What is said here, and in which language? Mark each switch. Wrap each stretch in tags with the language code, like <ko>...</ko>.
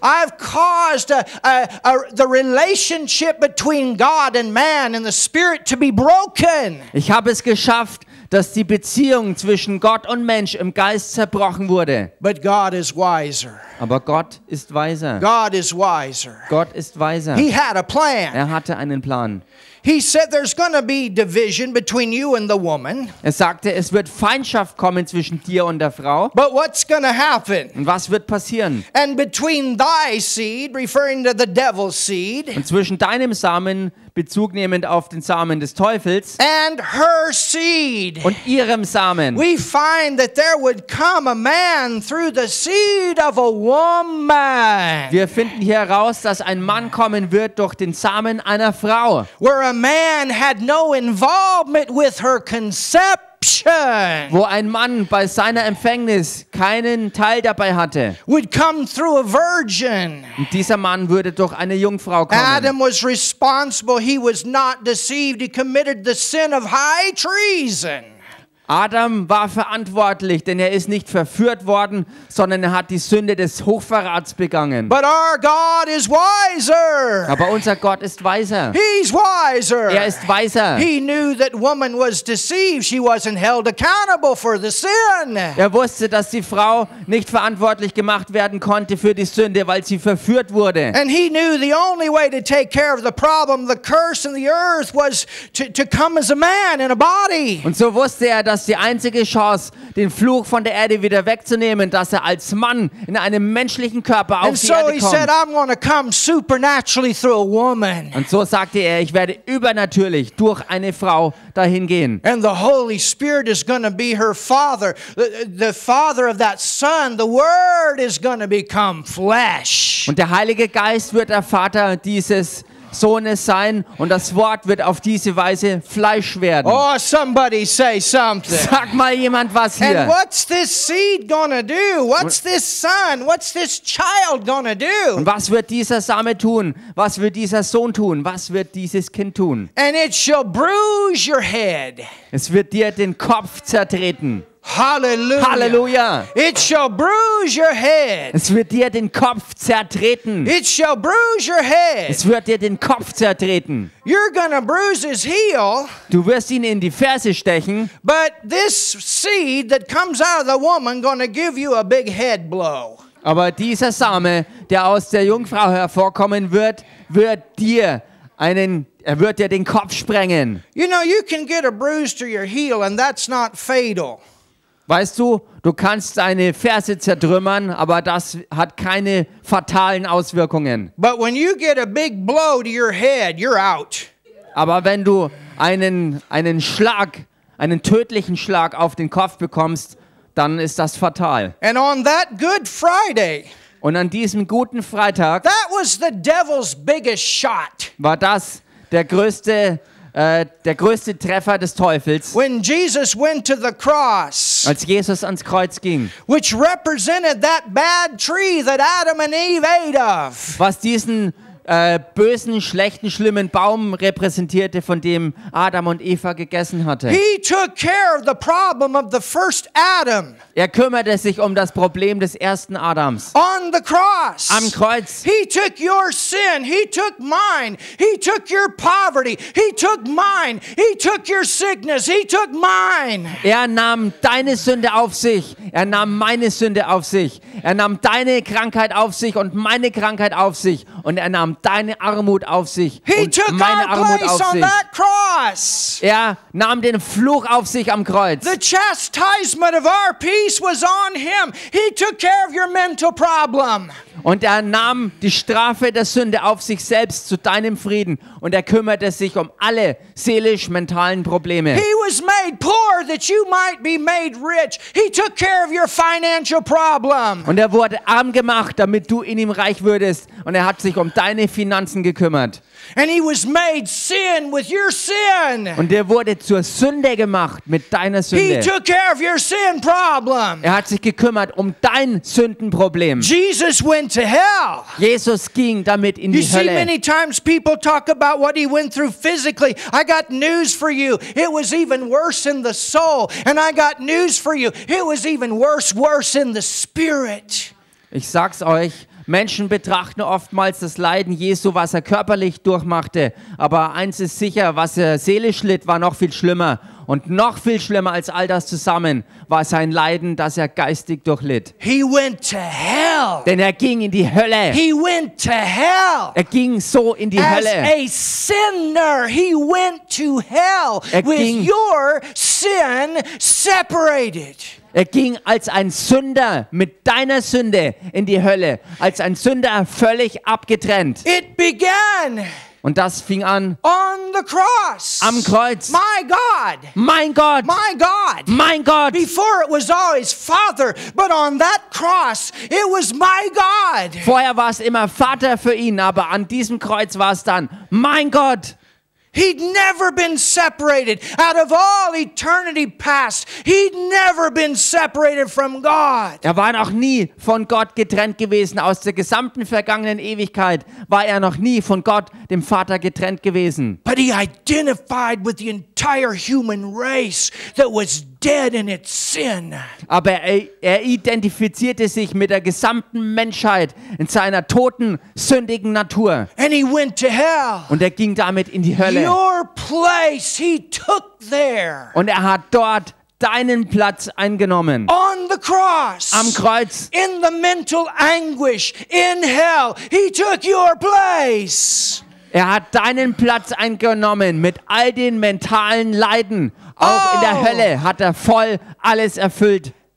<en>I've caused the relationship between God and man and the spirit to be broken.</en> <de>Ich habe es geschafft, dass die Beziehung zwischen Gott und Mensch im Geist zerbrochen wurde.</de> <en>But God is wiser.</en> <de>Aber Gott ist weiser.</de> <en>God is wiser.</en> <de>Gott ist weiser.</de> <en>He had a plan.</en> <de>Er hatte einen Plan.</de> <en>He said there's gonna be division between you and the woman.</en> <de>Er sagte, es wird Feindschaft kommen zwischen dir und der Frau.</de> <en>But what's gonna happen?</en> <de>Und was wird passieren?</de> <en>And between thy seed, referring to the devil's seed,</en> <de>und zwischen deinem Samen, Bezug nehmend auf den Samen des Teufels,</de> <en>and her seed,</en> <de>und ihrem Samen,</de> <en>we find that there would come a man through the seed of a woman.</en> <de>Wir finden hier heraus, dass ein Mann kommen wird durch den Samen einer Frau.</de> <en>Where a man had no involvement with her conception.</en> <de>Wo ein Mann bei seiner Empfängnis keinen Teil dabei hatte.</de> <en>Would come through a virgin.</en> <de>Und dieser Mann würde durch eine Jungfrau kommen.</de> <en>Adam was responsible. He was not deceived. He committed the sin of high treason.</en> <de>Adam war verantwortlich, denn er ist nicht verführt worden, sondern er hat die Sünde des Hochverrats begangen.</de> <en>But our God is wiser.</en> <de>Aber unser Gott ist weiser.</de> <en>He's wiser.</en> <de>Er ist weiser.</de> <en>He knew that woman was deceived. She wasn't held accountable for the sin.</en> <de>Er wusste, dass die Frau nicht verantwortlich gemacht werden konnte für die Sünde, weil sie verführt wurde.</de> <en>And he knew the only way to take care of the problem, the curse in the earth, was to come as a man in a body.</en> <de>Und so wusste er, dass die einzige Chance, den Fluch von der Erde wieder wegzunehmen, dass er als Mann in einem menschlichen Körper auf die Erde kommt. Und so sagte er, ich werde übernatürlich durch eine Frau dahin gehen.</de> <en>And the Holy Spirit is going to be her father, the father of that son. The Word is going to become flesh.</en> <de>Und der Heilige Geist wird der Vater dieses Sohnes sein und das Wort wird auf diese Weise Fleisch werden.</de> <en>Oh, somebody say something.</en> <de>Sag mal jemand was hier.</de> <en>And what's this seed gonna do? What's this son? What's this child gonna do?</en> <de>Und was wird dieser Same tun? Was wird dieser Sohn tun? Was wird dieses Kind tun?</de> <en>And it shall bruise your head.</en> <de>Es wird dir den Kopf zertreten. Halleluja. Halleluja.</de> <en>It shall bruise your head.</en> <de>Es wird dir den Kopf zertreten.</de> <en>It shall bruise your head.</en> <de>Es wird dir den Kopf zertreten.</de> <en>You're gonna bruise his heel.</en> <de>Du wirst ihn in die Ferse stechen.</de> <en>But this seed that comes out of the woman gonna give you a big head blow.</en> <de>Aber dieser Same, der aus der Jungfrau hervorkommen wird, wird dir einen er wird dir den Kopf sprengen.</de> <en>You know, you can get a bruise to your heel and that's not fatal.</en> <de>Weißt du, du kannst deine Verse zertrümmern, aber das hat keine fatalen Auswirkungen.</de> <en>But when you get a big blow to your head, you're out.</en> <de>Aber wenn du einen Schlag, einen tödlichen Schlag auf den Kopf bekommst, dann ist das fatal.</de> <en>And on that Good Friday,</en> <de>und an diesem guten Freitag,</de> <en>that was the devil's biggest shot.</en> <de>War das der größte Treffer des Teufels,</de> <en>when Jesus went to the cross,</en> <de>als Jesus ans Kreuz ging,</de> <en>which represented that bad tree that Adam and Eve ate of.</en> <de>Was diesen bösen, schlechten, schlimmen Baum repräsentierte, von dem Adam und Eva gegessen hatte.</de> <en>He took care of the problem of the first Adam.</en> <de>Er kümmerte sich um das Problem des ersten Adams.</de> <en>On the cross.</en> <de>Am Kreuz.</de> <en>He took your sin. He took mine. He took your poverty. He took mine. He took your sickness. He took mine.</en> <de>Er nahm deine Sünde auf sich. Er nahm meine Sünde auf sich. Er nahm deine Krankheit auf sich und meine Krankheit auf sich. Und er nahm deine Armut auf sich und meine Armut auf sich. Er nahm den Fluch auf sich am Kreuz.</de> <en>The chastisement of our peace was on him. He took care of your mental problem.</en> <de>Und er nahm die Strafe der Sünde auf sich selbst zu deinem Frieden und er kümmerte sich um alle seelisch-mentalen Probleme.</de> <en>He was made poor that you might be made rich. He took care of your financial problem.</en> <de>Und er wurde arm gemacht, damit du in ihm reich würdest und er hat sich um deine Finanzen gekümmert.</de> <en>And he was made sin with your sin.</en> <de>Und er wurde zur Sünde gemacht mit deiner Sünde.</de> <en>He took care of your sin problem.</en> <de>Er hat sich gekümmert um dein Sündenproblem.</de> <en>Jesus went to hell.</en> <de>Jesus ging damit in die Hölle.</de> <en>You see, many times people talk about what he went through physically. I got news for you. It was even worse in the soul. And I got news for you. It was even worse in the spirit.</en> <de>Ich sag's euch. Menschen betrachten oftmals das Leiden Jesu, was er körperlich durchmachte. Aber eins ist sicher, was er seelisch litt, war noch viel schlimmer. Und noch viel schlimmer als all das zusammen war sein Leiden, das er geistig durchlitt.</de> <en>He went to hell.</en> <de>Denn er ging in die Hölle.</de> <en>He went to hell.</en> <de>Er ging so in die Hölle.</de> <en>As a sinner, he went to hell with your sin separated.</en> <de>Er ging als ein Sünder mit deiner Sünde in die Hölle, als ein Sünder völlig abgetrennt.</de> <en>It began.</en> <de>Und das fing an.</de> <en>On the cross.</en> <de>Am Kreuz.</de> <en>My God.</en> <de>Mein Gott.</de> <en>My God.</en> <de>Mein Gott.</de> <en>Before it was always Father, but on that cross it was my God.</en> <de>Vorher war es immer Vater für ihn, aber an diesem Kreuz war es dann mein Gott.</de> <en>He'd never been separated out of all eternity past. He'd never been separated from God.</en> <de>Er war noch nie von Gott getrennt gewesen. Aus der gesamten vergangenen Ewigkeit war er noch nie von Gott, dem Vater, getrennt gewesen.</de> <en>But he identified with the entire human race that was dead in its sin.</en> <de>Aber er identifizierte sich mit der gesamten Menschheit in seiner toten, sündigen Natur.</de> <en>And he went to hell.</en> <de>Und er ging damit in die Hölle.</de> <en>Your place he took there.</en> <de>Und er hat dort deinen Platz eingenommen.</de> <en>On the cross.</en> <de>Am Kreuz.</de> <en>In the mental anguish in hell he took your place.</en> <de>Er hat deinen Platz eingenommen mit all den mentalen Leiden. Auch in der Hölle hat er voll alles erfüllt.</de>